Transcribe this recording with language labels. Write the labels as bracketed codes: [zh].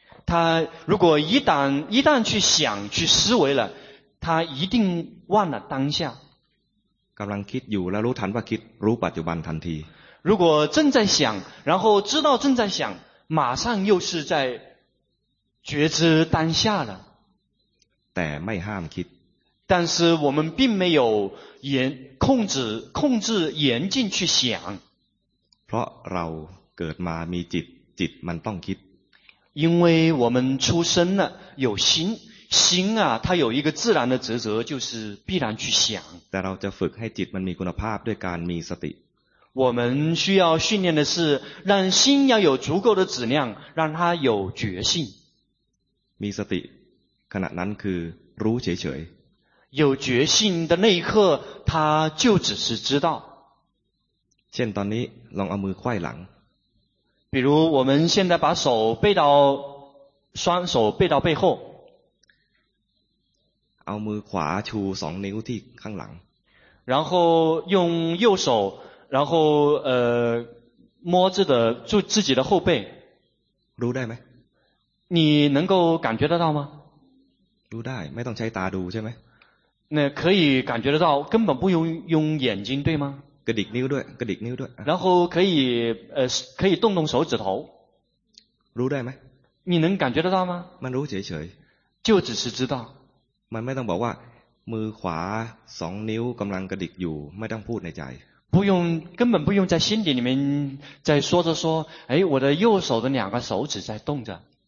[zh] 他如果一旦去想去思维了他一定忘了当下 [th] กำลังคิดอยู่แล้วรู้ทันว่าคิดรู้ปัจจุบันทันที [zh] 如果正在想然后知道正在想马上又是在觉知当下了 [th] แต่ไม่ห้ามคิด [zh] 但是我们并没有控制严禁去想 [th] เพราะเราเกิดมามีจิตจิตมันต้องคิด [zh] 因为我们出生了有心心啊它有一个自然的职责就是必然去想 [th] แต่เราจะฝึกให้จิตมันมีคุณภาพด้วยการมีสติ [zh] 我们需要训练的是让心要有足够的质量让它有觉性 [th] มีสติขณะนั้นคือรู้เฉย [zh] ๆ有觉性的那一刻它就只是知道 [th] เช่นตอนนี้ลองเอามือไขว้หลัง [zh] 比如我们现在把手背到双手背到背后 [th] เอามือขวาชู2นิ้วที่ข้างหลัง [zh] 然后用右手然后摸着的住自己的后背 [th] รู้ได้ไหม [zh] 你能够感觉得到吗 [th] รู้ได้ไม่ต้องใช้ตาดูใช่ไหม [zh] 那可以感觉得到根本不用眼睛对吗 [th] กระดิกนิ้วด้วยกระดิกนิ้วด้วย [zh] 然后可以动动手指头 [th] รู้ได้ไ [zh] หม你能感觉得到吗 [th] มันรู้เฉย [zh] ๆ就只是知道 [th] มันไม่ต้องบอกว่ามือขวา2นิ้วกำลังกระดิกอยู่ไม่ต้องพูดในใจ [zh] 不用根本不用在心底里面在说着说哎我的右手的两个手指在动着